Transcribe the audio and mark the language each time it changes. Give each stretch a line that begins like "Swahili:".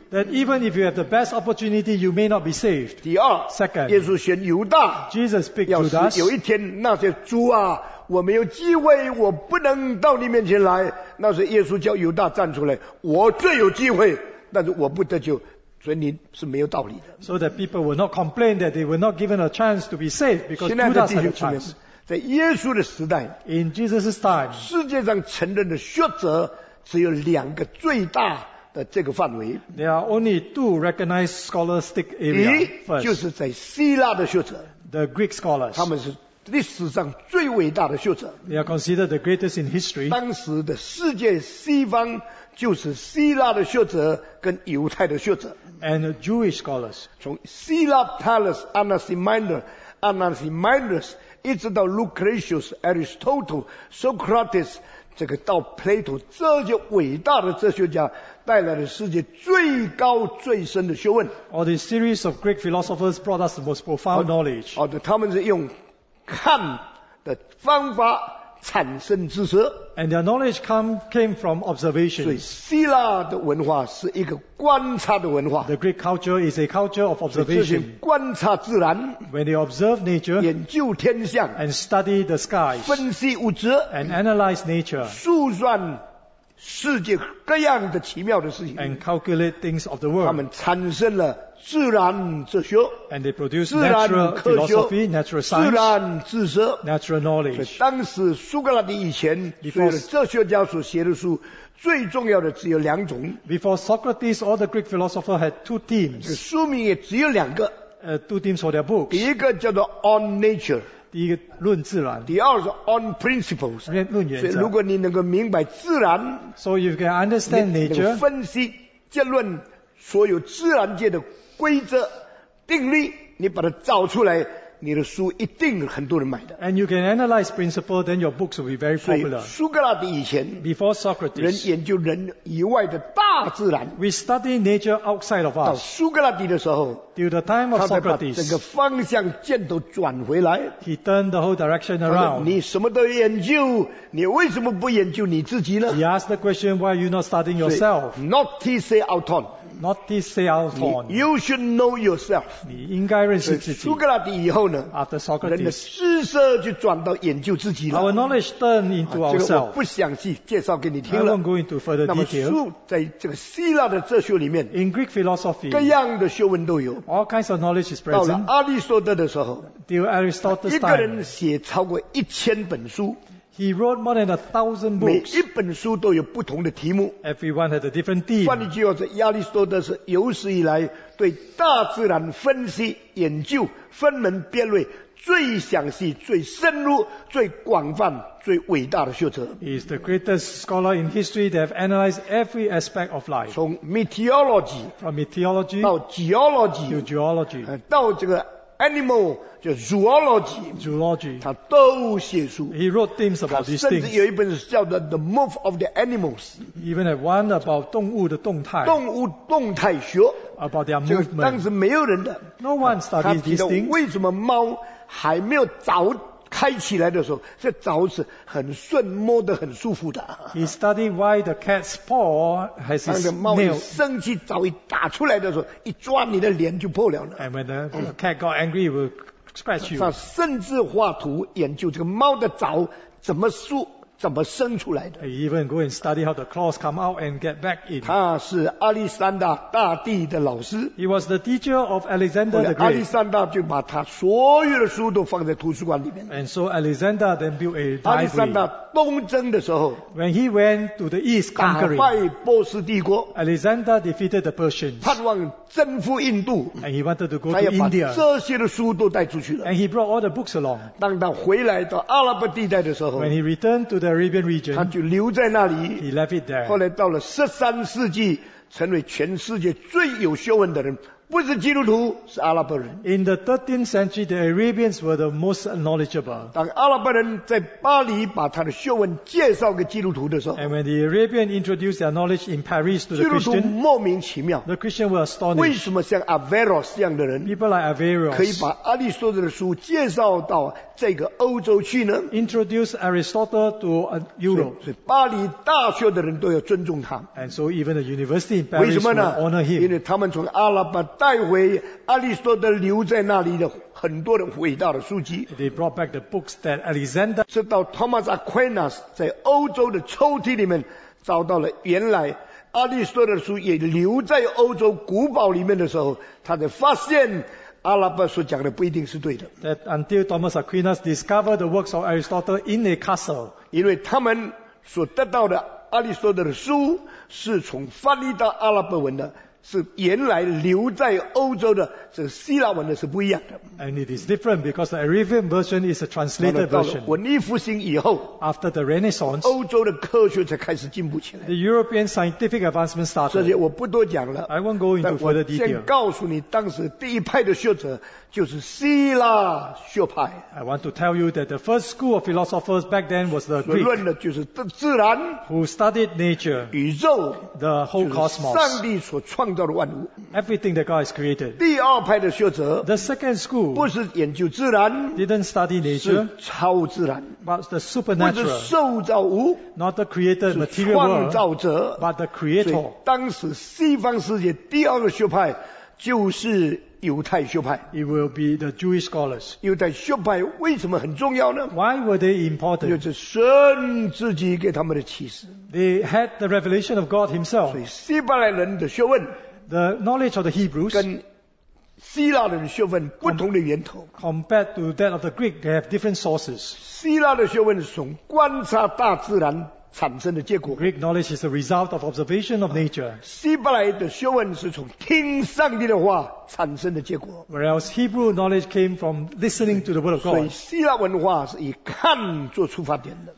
English: Then even if you have the best opportunity You may not be saved
Chinese: 第二
English: Second
Chinese: 耶稣选犹大
English: Jesus picked Judas
Chinese: 有一天那些猪啊我没有机会我不能到你面前来那是耶稣叫犹大站出来我最有机会但是我不得救所以你是没有道理的
English: So that people will not complain That they were not given a chance to be saved Because Judas had a chance
Chinese: 在耶稣的时代
English: In Jesus' time
Chinese: 世界上承认的学者只有两个最大的这个范围
English: There are only two recognized scholastic areas
Chinese: 一就是在希腊的学者
English: The Greek scholars
Chinese: 他们是历史上最伟大的学者
English: They are considered the greatest in history
Chinese: 当时的世界西方就是希腊的学者跟犹太的学者
English: And Jewish scholars
Chinese: 从希腊 Thales Anaximander Anaximandrus 一直到 Lucretius Aristotle Socrates 这个到 Plato 这些伟大的哲学家带来了世界最高最深的学问
English: All the series of Greek philosophers brought us the most profound knowledge
Chinese: 他们是用看的方法产生知识
English: And their knowledge came from observation
Chinese: 所以希腊的文化是一个观察的文化
English: The Greek culture is a culture of observation
Chinese: 观察自然
English: When they observe nature
Chinese: 研究天象
English: And study the skies
Chinese: 分析物质
English: And analyze nature
Chinese: 数算世界各样的奇妙的事情
English: and calculate things of the world
Chinese: 他们产生了自然哲学
English: and they produce natural philosophy natural science
Chinese: 自然知识
English: natural knowledge
Chinese: 所以当时苏格拉底以前所有的哲学家所写的书最重要的只有两种
English: before Socrates all the Greek philosopher had two themes
Chinese: 书名也只有两个
English: two themes for their books
Chinese: 第一个叫做
English: on nature 第一个论自然
Chinese: 第二是
English: on principles 论原则
Chinese: 所以如果你能够明白自然
English: so you can understand nature
Chinese: 分析结论所有自然界的规则定律，你把它造出来，你的书一定很多人买的。
English: And you can analyze principle, then your books will be very popular.
Chinese: 苏格拉底以前
English: ，before Socrates，
Chinese: 人研究人以外的大自然。
English: We study nature outside of us.
Chinese: 到苏格拉底的时候
English: ，till the time of Socrates，
Chinese: 整个方向箭都转回来。
English: He turned the whole direction around.
Chinese: 你什么都研究，你为什么不研究你自己呢
English: ？He asked the question, "Why are you not studying yourself?"
Greek: Naughty say outon. Naughty say out on.
English: You should know yourself.
Chinese: 你应该认识自己。苏格拉底以后呢
English: ？After Socrates,
Chinese: 人的知识就转到研究自己了。
English: Our knowledge turned into ourselves.
Chinese: 这个我不详细介绍给你听了。
English: I won't go into further detail.
Chinese: 那么苏在这个希腊的哲学里面
English: ，In Greek philosophy,
Chinese: 各样的学问都有。
English: All kinds of knowledge is present.
Chinese: 到了阿里士多德的时候
English: ，Till Aristotle's time,
Chinese: 一个人写超过1000本书。
English: He wrote more than 1,000 books.
Chinese: 每一本书都有不同的题目。
English: Everyone had a different theme.
Chinese: 换一句话说，亚里士多德是有史以来对大自然分析研究分门别类最详细、最深入、最广泛、最伟大的学者。
English: He is the greatest scholar in history that have analyzed every aspect of life.
Chinese: 从 meteorology,
English: from meteorology
Chinese: 到 geology,
English: to geology
Chinese: 到这个。Animal 叫 zoology,
English: zoology,
Chinese: 他都写书。
English: He wrote things about these things.
Chinese: 甚至有一本是叫做
English: The Move of the Animals. Even had one about
Chinese: 动物的动态。动物动态学。
English: About their movement.
Chinese: 当时没有人的。
English: No one studied these things.
Chinese: 为什么猫还没有早开起来的时候，这爪子很顺，摸得很舒服的。
English: He studied why the cat's paw has its nail.
Chinese: 当猫一生气，爪一打出来的时候，一抓你的脸就破了了。
English: And when the cat got angry, it will scratch you.
Chinese: 他甚至画图研究这个猫的爪怎么缩、怎么伸出来的。
English: He even go and study how the claws come out and get back in.
Chinese: 他是亚历山大大帝的老师。
English: He was the teacher of Alexander the Great.
Chinese: 亚历山大就把他所有的书都放在图书馆里面。
English: And so Alexander then built a library.
Chinese: 亚历山大东征的时候
English: ，When he went to the east conquering,
Chinese: 打败波斯帝国
English: ，Alexander defeated the Persians.
Chinese: 盼望征服印度
English: ，And he wanted to go to India.
Chinese: 这些的书都带出去了。
English: And he brought all the books along.
Chinese: 当他回来到阿拉伯地带的时候
English: ，When he returned to the Arabian region,
Chinese: 他就留在那里。
English: He left it there.
Chinese: 后来到了13世纪，成为全世界最有学问的人。不是基督徒，是阿拉伯人。
English: In the 13th century, the Arabians were the most knowledgeable.
Chinese: 当阿拉伯人在巴黎把他的学问介绍给基督徒的时候
English: ，And when the Arabian introduced their knowledge in Paris to the Christian,
Chinese: 基督徒莫名其妙
English: ，The Christian were astonished.
Chinese: 为什么像 Averroes 这样的人
English: ，People like Averroes
Chinese: 可以把阿里士多德的书介绍到这个欧洲去呢
English: ？Introduce Aristotle to Europe.
Chinese: 所以巴黎大学的人都要尊重他
English: ，And so even the university in Paris will honor him.
Chinese: 因为他们从阿拉伯带回亚里士多德留在那里的很多的伟大的书籍。
English: They brought back the books that Alexander
Chinese: 直到 Thomas Aquinas 在欧洲的抽屉里面找到了原来亚里士多德的书也留在欧洲古堡里面的时候，他才发现阿拉伯所讲的不一定是对的。
English: That until Thomas Aquinas discovered the works of Aristotle in a castle，
Chinese: 因为他们所得到的亚里士多德的书是从翻译到阿拉伯文的。是原来留在欧洲的，是希腊文的是不一样的。
English: And it is different because the Arabian version is a translated version.
Chinese: 文艺复兴以后
English: ，After the Renaissance，
Chinese: 欧洲的科学才开始进步起来。
English: The European scientific advancement started.
Chinese: 这些我不多讲了。
English: I won't go into further detail.
Chinese: 先告诉你，当时第一派的学者就是希腊学派。
English: I want to tell you that the first school of philosophers back then was the Greek.
Chinese: 论的就是自然
English: ，who studied nature，
Chinese: 宇宙
English: ，the whole cosmos，
Chinese: 上帝所创。
English: Everything that God has created.
Chinese: 第二派的学者
English: the second school
Chinese: 不是研究自然
English: didn't study nature
Chinese: 是超自然
English: but the supernatural
Chinese: 不是受造物
English: not the created material world
Chinese: 是创造者
English: but the creator.
Chinese: 所以当时西方世界第二个学派就是犹太学派
English: it will be the Jewish scholars.
Chinese: 犹太学派为什么很重要呢
English: why were they important?
Chinese: 就是神自己给他们的启示
English: they had the revelation of God himself.
Chinese: 所以希伯来人的学问
English: the knowledge of the Hebrews
Chinese: 跟希腊人的学问不同的源头
English: compared to that of the Greek, they have different sources.
Chinese: 希腊的学问是从观察大自然产生的结果。
English: Greek knowledge is the result of observation of nature.
Chinese: 希伯来的学问是从听上帝的话产生的结果。
English: Whereas Hebrew knowledge came from listening to the word of God.
Chinese: 所以希腊文化是以看作出发点的。